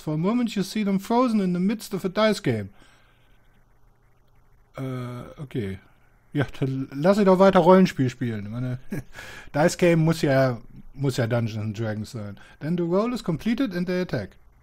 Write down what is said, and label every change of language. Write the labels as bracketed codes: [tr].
[en] For a moment you see them frozen in the midst of a dice game. Okay. [de] Ja, dann lass sie doch weiter Rollenspiel spielen. Meine Dice Game muss ja Dungeons & Dragons sein. [en] Then the roll is completed and they attack.